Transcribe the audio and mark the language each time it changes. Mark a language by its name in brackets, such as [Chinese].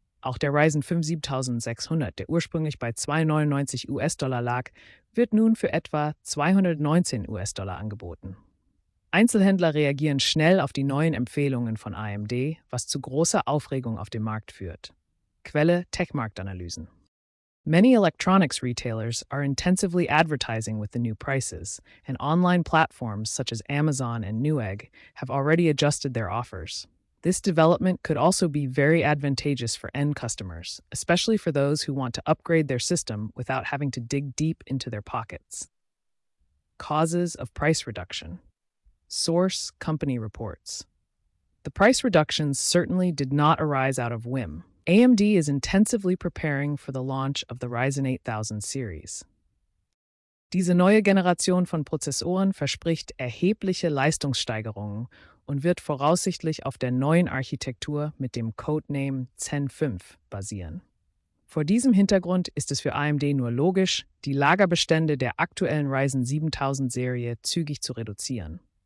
[German] Auch der Ryzen 5 7600, der ursprünglich bei $299 lag, wird nun für etwa $219 angeboten. Einzelhändler reagieren schnell auf die neuen Empfehlungen von AMD, was zu großer Aufregung auf dem Markt führt. Quelle: Techmarktanalysen. [English] Many electronics retailers are intensively advertising with the new prices, and online platforms such as Amazon and Newegg have already adjusted their offers. This development could also be very advantageous for end customers, especially for those who want to upgrade their system without having to dig deep into their pockets. Causes of price reduction. Source: Company reports. The price reductions certainly did not arise out of whim. AMD is intensively preparing for the launch of the Ryzen 8000 series. [German] Diese neue Generation von Prozessoren verspricht erhebliche Leistungssteigerungen und wird voraussichtlich auf der neuen Architektur mit dem Codename Zen 5 basieren. Vor diesem Hintergrund ist es für AMD nur logisch, die Lagerbestände der aktuellen Ryzen 7000-Serie zügig zu reduzieren.